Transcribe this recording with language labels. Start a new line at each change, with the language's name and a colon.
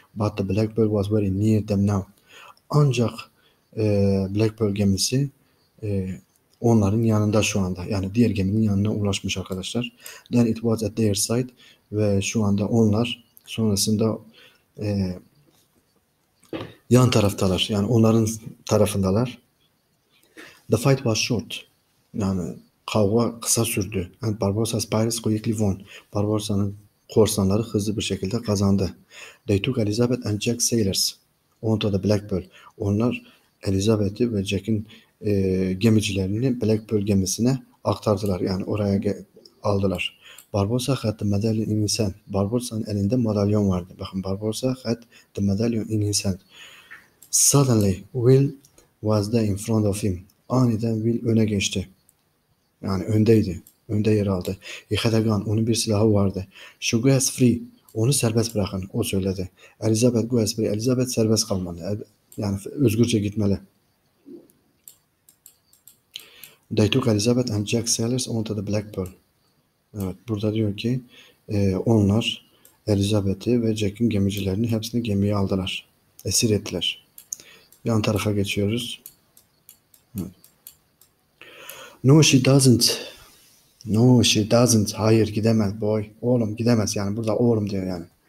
English: But the Black Pearl was very near them now.
Turkish: Ancak Black Pearl gemisi onların yanında şu anda. Yani diğer geminin yanına ulaşmış arkadaşlar.
English: Then it was at their side.
Turkish: Ve şu anda onlar sonrasında yan taraftalar. Yani onların tarafındalar.
English: The fight was short.
Turkish: Yani kavga kısa sürdü.
English: And Barbossa's pirates quickly won.
Turkish: Barbossa'nın korsanları hızlı bir şekilde kazandı.
English: They took Elizabeth and Jack sailors onto the Black Pearl.
Turkish: Onlar Elizabeth'i ve Jack'in gemicilerini Black Pearl gemisine aktardılar. Yani oraya aldılar.
English: Barbossa had the medallion in his hand.
Turkish: Barbossa'nın elinde madalyon vardı.
English: Bakın, Barbossa had the medallion in his hand. Suddenly Will was there in front of him.
Turkish: Aniden Will öne geçti. Yani öndeydi. Önde yer aldı.
English: He had a gun.
Turkish: Onun bir silahı vardı.
English: She goes free.
Turkish: Onu serbest bırakın. O söyledi.
English: Elizabeth goes free.
Turkish: Elizabeth serbest kalmalı. Yani özgürce gitmeli.
English: They took Elizabeth and Jack Sailors onto the Black Pearl.
Turkish: Evet. Burada diyor ki onlar Elizabeth'i ve Jack'in gemicilerini hepsini gemiye aldılar. Esir ettiler. Yan tarafa geçiyoruz. Evet.
English: No, she doesn't.
Turkish: Hayır, gidemez boy. Oğlum, gidemez. Yani burada oğlum diyor yani.